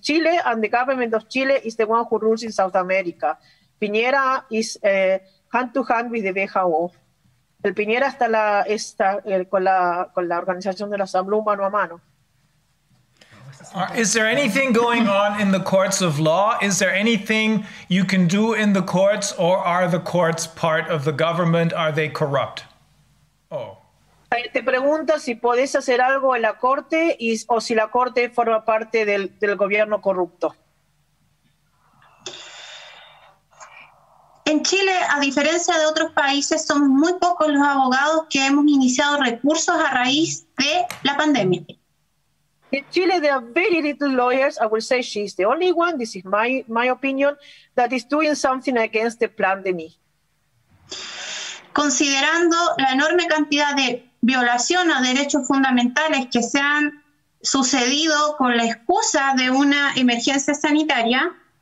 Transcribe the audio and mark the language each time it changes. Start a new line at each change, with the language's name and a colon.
English: Chile and the government of Chile is the one who rules in South America. Piñera is hand to hand with the WHO.
Spanish: El Piñera está con la organización de la Asamblea mano a mano.
English: Is there anything going on in the courts of law? Is there anything you can do in the courts, or are the courts part of the government? Are they corrupt? Oh.
Spanish: Te pregunta si podés hacer algo en la corte o si la corte forma parte del gobierno corrupto. En Chile, a diferencia de otros países, son muy pocos los abogados que hemos iniciado recursos a raíz de la pandemia.
English: In Chile, there are very little lawyers. I will say she is the only one, this is my opinion, that is doing something against the pandemic.
Spanish: considerando la enorme cantidad de violación a derechos fundamentales que se han sucedido con la excusa de una emergencia sanitaria.